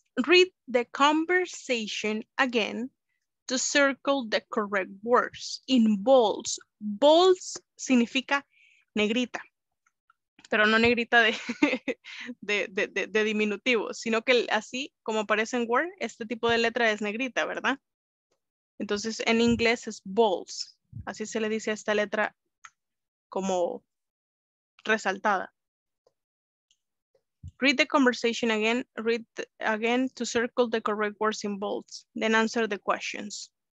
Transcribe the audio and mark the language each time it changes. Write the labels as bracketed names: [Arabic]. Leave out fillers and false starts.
[English] Read the conversation again to circle the correct words in bolds. [Spanish] Bolds significa negrita, pero no negrita de diminutivo, sino que así como aparece en Word, este tipo de letra es negrita, ¿verdad? Entonces en inglés es bolds. Así se le dice a esta letra como resaltada. [English] Read the conversation again, read again to circle the correct words in bolds, then answer the questions.